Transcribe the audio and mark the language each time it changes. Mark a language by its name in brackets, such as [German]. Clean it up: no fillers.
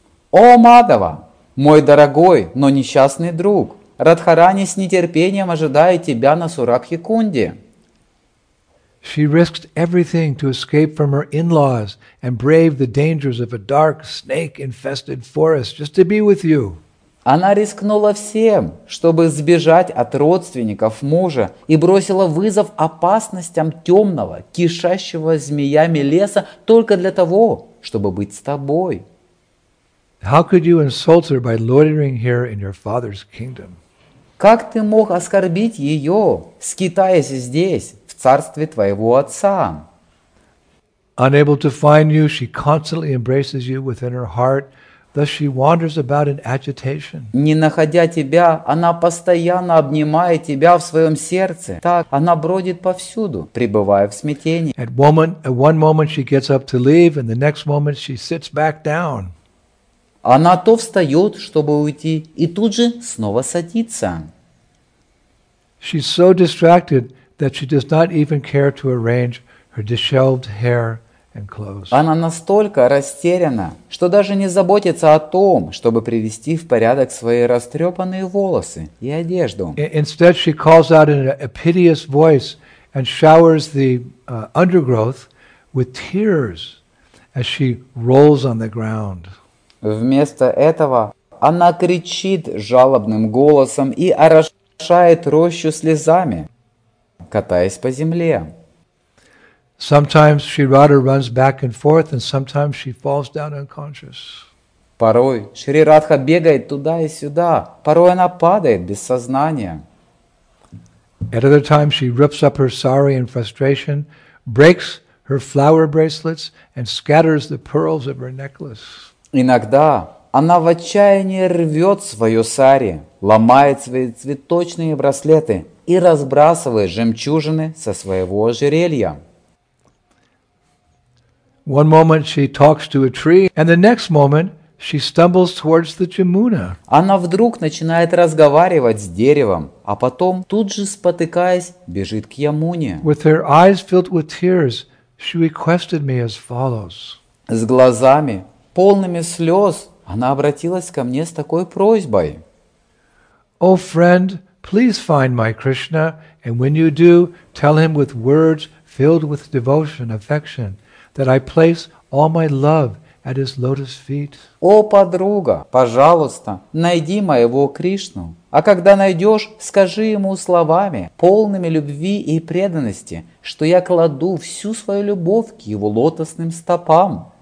[Russian] О, Мадхава, мой дорогой, но несчастный друг, Радхарани с нетерпением ожидает тебя на Сурабхикунде. [English] She risked everything to escape from her in-laws and brave the dangers of a dark, snake-infested forest just to be with you. [Russian] Она рискнула всем, чтобы сбежать от родственников мужа и бросила вызов опасностям темного, кишащего змеями леса только для того, чтобы быть с тобой. [English] How could you insult her by loitering here in your father's kingdom? [Russian] Как ты мог оскорбить ее, скитаясь здесь, в царстве твоего отца? [English] Unable to find you, she constantly embraces you within her heart, thus she wanders about in agitation. [Russian] Не находя тебя, она постоянно обнимает тебя в своем сердце. Так она бродит повсюду, пребывая в смятении. [English] At one moment she gets up to leave, and the next moment she sits back down. [Russian] Она то встает, чтобы уйти, и тут же снова садится. [English] She's so distracted that she does not even care to arrange her disheveled hair and clothes. [Russian] Она настолько растеряна, что даже не заботится о том, чтобы привести в порядок свои растрепанные волосы и одежду. [English] Instead, she calls out in a piteous voice and showers the undergrowth with tears as she rolls on the ground. [Russian] Вместо этого она кричит жалобным голосом и орошает рощу слезами, катаясь по земле. [English] Sometimes Shrirada runs back and forth, and sometimes she falls down unconscious. [Russian] Порой Шрирадха бегает туда и сюда, порой она падает без сознания. [English] At other times she rips up her sari in frustration, breaks her flower bracelets, and scatters the pearls of her necklace. [Russian] Иногда она в отчаянии рвет свое сари, ломает свои цветочные браслеты и разбрасывает жемчужины со своего ожерелья. [English] One moment she talks to a tree, and the next moment she stumbles towards the Jamuna. [Russian] Она вдруг начинает разговаривать с деревом, а потом, тут же спотыкаясь, бежит к Ямуне. [English] With her eyes filled with tears, she requested me as follows. [Russian] С глазами полными слез она обратилась ко мне с такой просьбой. [English] O friend, please find my Krishna, and when you do, tell him with words filled with devotion, affection, that I place all my love at his lotus feet. [Russian] О, подруга, пожалуйста, найди моего Кришну. А когда найдешь, скажи ему словами, полными любви и преданности, что я кладу всю свою любовь к его лотосным стопам.